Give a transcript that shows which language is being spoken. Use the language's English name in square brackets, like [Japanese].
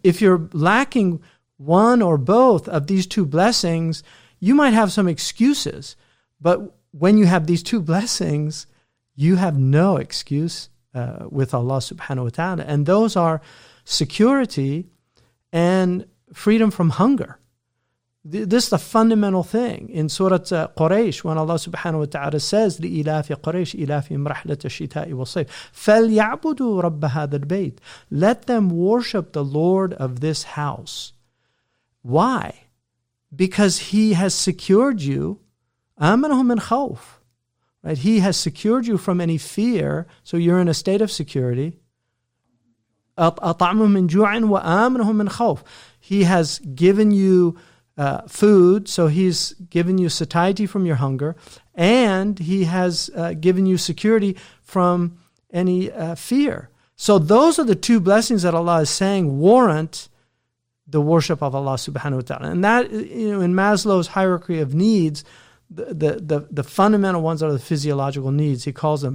[English] If you're lacking one or both of these two blessings, you might have some excuses. But when you have these two blessings, you have no excuse with Allah subhanahu wa ta'ala. And those are security and freedom from hunger. This is the fundamental thing. In Surah Quraysh, when Allah subhanahu wa ta'ala says, [Arabic] لِإِلَافِ قُرَيْشِ إِلَافِهِمْ رَحْلَةَ الشِّتَاءِ وَالصَّيْفِ فَلْيَعْبُدُوا رَبَّ هَذَا الْبَيْتِ. [English] Let them worship the Lord of this house. Why? Because he has secured you. [Arabic] آمَنَهُمْ مِنْ خَوْفِ. [English] Right? He has secured you from any fear, so you're in a state of security. [Arabic] أَطْعَمُهُمْ مِنْ جُوعٍ وَآمَنَهُمْ مِنْ خَوْفِ. [English] He has given you food. So he's given you satiety from your hunger, and he has given you security from any fear. So those are the two blessings that Allah is saying warrant the worship of Allah subhanahu wa ta'ala. And that, you know, in Maslow's hierarchy of needs, the fundamental ones are the physiological needs, he calls them.